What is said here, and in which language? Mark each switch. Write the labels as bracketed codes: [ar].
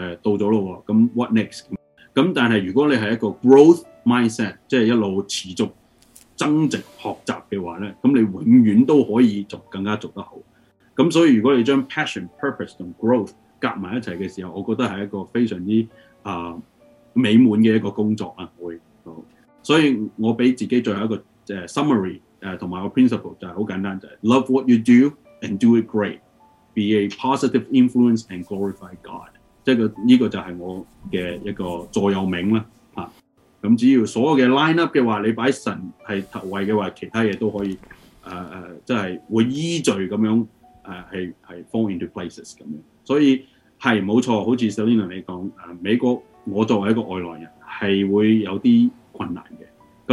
[yue] 到咗咯喎，咁 [en] what next？ [yue] 咁但係如果你係一個 growth mindset， 即係一路持續增值學習嘅話咧，咁你永遠都可以做更加做得好。咁所以如果你將 passion、purpose 同 growth 夾埋一齊嘅時候，我覺得係一個非常之美滿嘅一個工作啊，會。所以我俾自己最後一個summary 同埋個 principle 就係好簡單，就係、是、 [en] love what you do and do it great， be a positive influence and glorify God。 [yue] 即係呢個就係我嘅一個座右銘啦，嚇、啊！咁只要所有嘅 line up 嘅話，你擺神係頭位嘅話，其他嘢都可以，即係會依序咁樣，係 [en] fall into places [yue] 咁樣。所以係冇錯，好似 Selina 你講，美國我作為一個外來人係會有啲困難嘅。